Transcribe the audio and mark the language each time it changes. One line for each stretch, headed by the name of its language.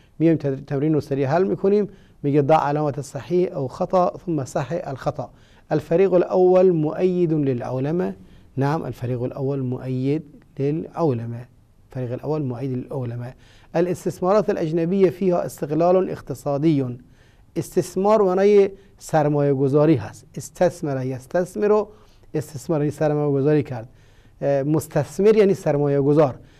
Persian: میایم تمرین رو سریع حل میکنیم. میگه
Arabic: ضع علامت صحیح او خطا ثم صحیح الخطا. الفریق الاول مؤید للعلماء. نعم، الفریق الاول مؤید للعلماء، الفریق الاول مؤید للعلماء. الاستثمارات الاجنبيه فيها استغلال اقتصادي.
Persian: استثمار معنای سرمایه گذاری هست. استثمر يستثمر، استثمار یعنی سرمایه گذاری کرد، مستثمر یعنی سرمایه گذار.